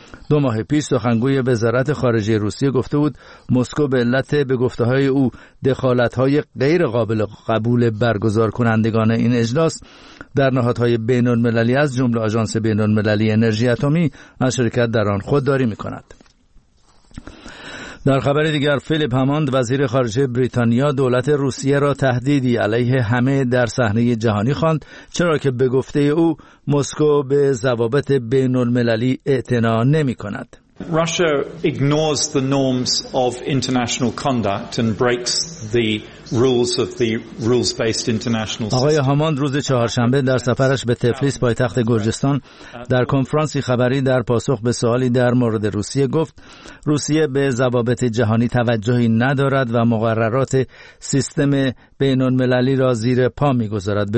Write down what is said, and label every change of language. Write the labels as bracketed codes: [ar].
[fa] دو ماه پیش سخنگوی وزارت خارجه روسیه گفته بود مسکو به علت به گفته‌های او دخالت‌های غیر قابل قبول برگزار کنندگان این اجلاس در نهادهای بین‌المللی از جمله آژانس بین‌المللی انرژی اتمی از شرکت در آن خودداری می‌کند. در خبر دیگر، فیلیپ هاموند وزیر خارجه بریتانیا دولت روسیه را تهدیدی علیه همه در صحنه جهانی خواند، چرا که به گفته او مسکو به ضوابط بین‌المللی اعتنا نمی‌کند. [en] Russia ignores the norms of international conduct and breaks the rules of the rules-based international system. [fa] آقای هاموند روز چهارشنبه در سفرش به تفلیس پایتخت گرجستان در کنفرانسی خبری در پاسخ به سوالی در مورد روسیه گفت روسیه به ضوابط جهانی توجهی ندارد و مقررات سیستم بین‌المللی را زیر پا می‌گذارد.